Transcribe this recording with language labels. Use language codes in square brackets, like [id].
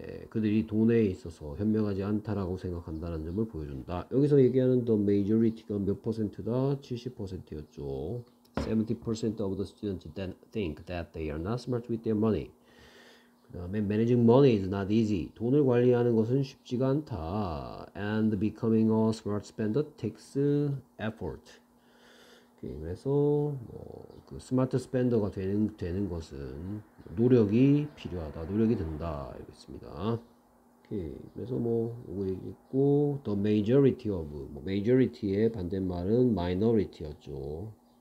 [ko] 그들이 돈에 있어서 현명하지 않다라고 생각한다는 점을 보여준다. 여기서 얘기하는 [en] the majority [ko] 가 몇 퍼센트다? 70%였죠. [en] 70% of the students then think that they are not smart with their money. [ko] 그다음에 [en] managing money is not easy. [ko] 돈을 관리하는 것은 쉽지가 않다. [en] And becoming a smart spender takes effort. [ko] 그래서 뭐그 스마트 스펜더가 되는 것은 노력이 필요하다. 노력이 든다. 이거 있습니다. 오케이. 그래서 뭐 이거 있고 [en] the majority of [ko] 뭐 majority의 반대말은 minority였죠.